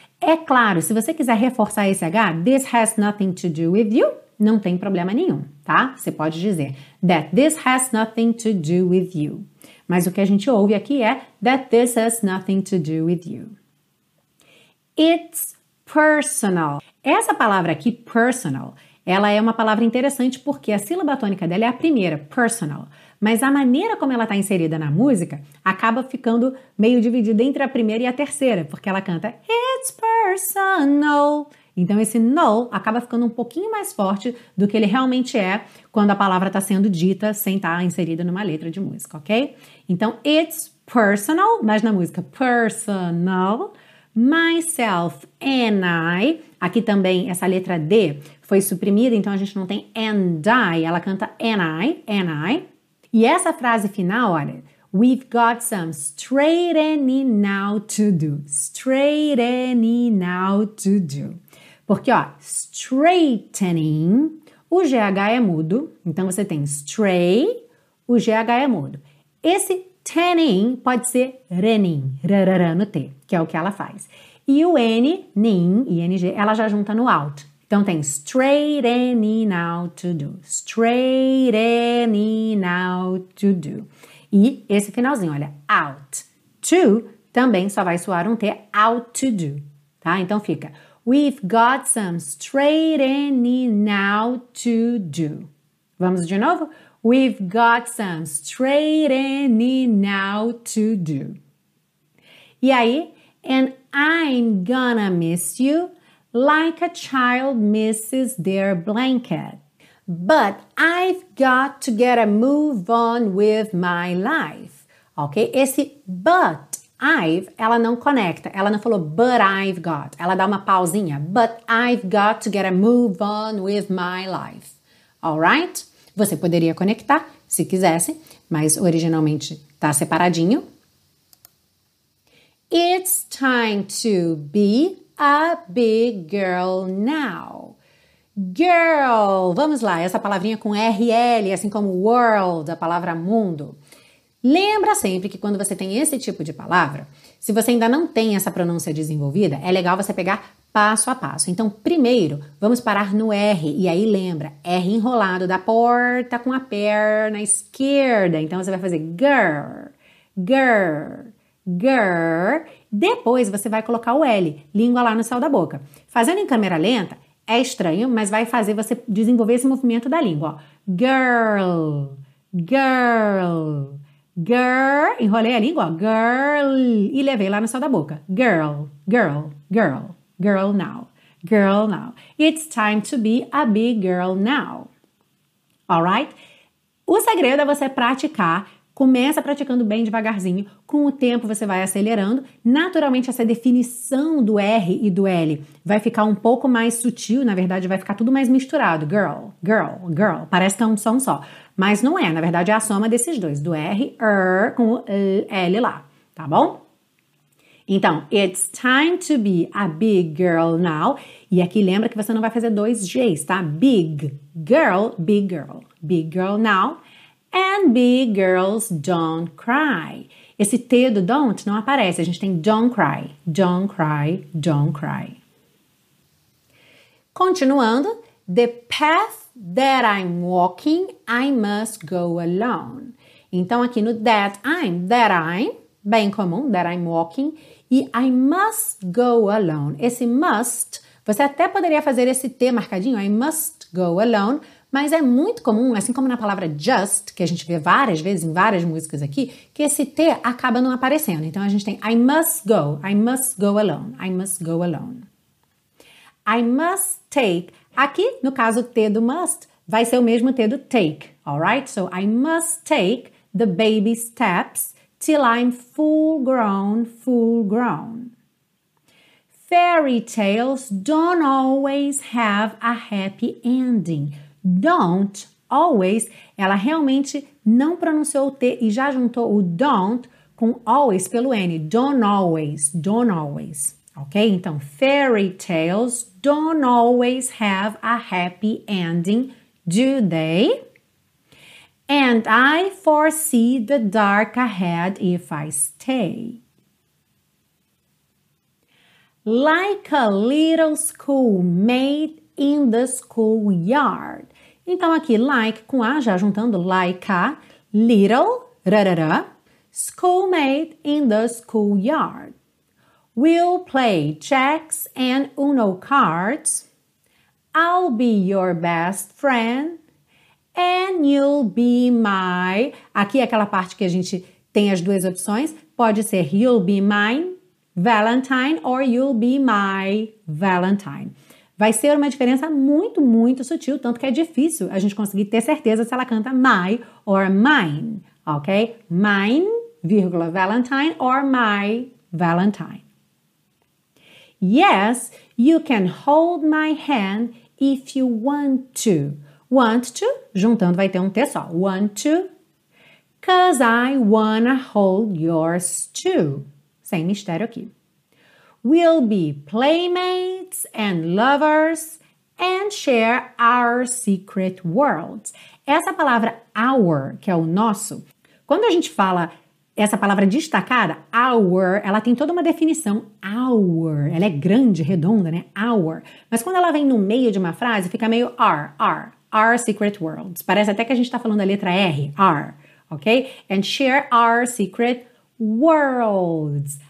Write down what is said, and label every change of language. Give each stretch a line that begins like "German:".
Portuguese: É claro, se você quiser reforçar esse H,
English: this has nothing to do with you,
Portuguese: não tem problema nenhum, tá? Você pode dizer
English: that this has nothing to do with you.
Portuguese: Mas o que a gente ouve aqui é
English: that this has nothing to do with you. It's personal.
Portuguese: Essa palavra aqui, personal, ela é uma palavra interessante porque a sílaba tônica dela é a primeira, personal. Mas a maneira como ela está inserida na música acaba ficando meio dividida entre a primeira e a terceira, porque ela canta
English: it's personal.
Portuguese: Então esse no acaba ficando um pouquinho mais forte do que ele realmente é quando a palavra está sendo dita sem estar inserida numa letra de música, ok? Então,
English: it's personal,
Portuguese: mas na música, personal,
English: myself and I,
Portuguese: aqui também essa letra D foi suprimida, então a gente não tem
English: and I,
Portuguese: ela canta and I. E essa frase final, olha,
English: we've got some straightening out to do, straightening out to do.
Portuguese: Porque, ó, straightening, o GH é mudo, então você tem straight, o GH é mudo. Esse tanning pode ser renin, rarará no T, que é o que ela faz. E o N, nin, ing, ela já junta no out. Então tem
English: straightening out to do, straightening out to do.
Portuguese: E esse finalzinho, olha,
English: out to
Portuguese: também só vai soar um T
English: out to do,
Portuguese: tá? Então fica,
English: we've got some straightening out to do.
Portuguese: Vamos de novo?
English: We've got some straightening out to do.
Portuguese: E aí,
English: and I'm gonna miss you like a child misses their blanket. But I've got to get a move on with my life. Ok?
Portuguese: Esse but I've, ela não conecta. Ela não falou
English: but I've got.
Portuguese: Ela dá uma pausinha.
English: But I've got to get a move on with my life. Alright?
Portuguese: Você poderia conectar, se quisesse, mas originalmente tá separadinho.
English: It's time to be a big girl now.
Portuguese: Girl, vamos lá, essa palavrinha com RL, assim como world, a palavra mundo. Lembra sempre que quando você tem esse tipo de palavra, se você ainda não tem essa pronúncia desenvolvida, é legal você pegar passo a passo. Então, primeiro, vamos parar no R, e aí lembra, R enrolado da porta com a perna esquerda. Então, você vai fazer
English: girl, girl, girl.
Portuguese: Depois, você vai colocar o L, língua lá no céu da boca. Fazendo em câmera lenta, é estranho, mas vai fazer você desenvolver esse movimento da língua. Ó.
English: Girl, girl, girl.
Portuguese: Enrolei a língua, ó. Girl. E levei lá no céu da boca.
English: Girl, girl, girl, girl now, girl now. It's time to be a big girl now. Alright?
Portuguese: O segredo é você praticar. Começa praticando bem devagarzinho. Com o tempo, você vai acelerando. Naturalmente, essa definição do R e do L vai ficar um pouco mais sutil. Na verdade, vai ficar tudo mais misturado.
English: Girl, girl, girl.
Portuguese: Parece que é um som só. Mas não é. Na verdade, é a soma desses dois. Do R, R, com o L lá. Tá bom? Então,
English: it's time to be a big girl now.
Portuguese: E aqui, lembra que você não vai fazer dois Gs, tá?
English: Big girl, big girl. Big girl now. And big girls don't cry.
Portuguese: Esse T do don't não aparece. A gente tem
English: don't cry. Don't cry. Don't cry.
Portuguese: Continuando.
English: The path that I'm walking, I must go alone.
Portuguese: Então, aqui no
English: that I'm,
Portuguese: bem comum,
English: that I'm walking. E I must go alone.
Portuguese: Esse must, você até poderia fazer esse T marcadinho.
English: I must go alone.
Portuguese: Mas é muito comum, assim como na palavra just, que a gente vê várias vezes em várias músicas aqui, que esse T acaba não aparecendo. Então, a gente tem
English: I must go alone, I must go alone. I must take,
Portuguese: aqui, no caso, T do must, vai ser o mesmo T do take, alright? So,
English: I must take the baby steps till I'm full grown, full grown. Fairy tales don't always have a happy ending. Don't, always,
Portuguese: ela realmente não pronunciou o T e já juntou o don't com always pelo N.
English: Don't always, ok?
Portuguese: Então,
English: fairy tales don't always have a happy ending, do they? And I foresee the dark ahead if I stay. Like a little schoolmate in the schoolyard.
Portuguese: Então, aqui,
English: like com a,
Portuguese: já juntando,
English: like a, little, rarara, schoolmate in the schoolyard. We'll play checks and Uno cards. I'll be your best friend and you'll be my...
Portuguese: Aqui é aquela parte que a gente tem as duas opções. Pode ser
English: you'll be mine, Valentine, or you'll be my Valentine.
Portuguese: Vai ser uma diferença muito, muito sutil, tanto que é difícil a gente conseguir ter certeza se ela canta
English: my or mine,
Portuguese: ok?
English: Mine,
Portuguese: vírgula,
English: Valentine or my Valentine. Yes, you can hold my hand if you want to. Want to,
Portuguese: juntando vai ter um T só.
English: Want to, 'cause I wanna hold yours too.
Portuguese: Sem mistério aqui.
English: We'll be playmates and lovers and share our secret worlds.
Portuguese: Essa palavra our, que é o nosso, quando a gente fala essa palavra destacada, our, ela tem toda uma definição, our, ela é grande, redonda, né, our. Mas quando ela vem no meio de uma frase, fica meio r,
English: our secret worlds.
Portuguese: Parece até que a gente está falando a letra R, ok?
English: And share our secret worlds.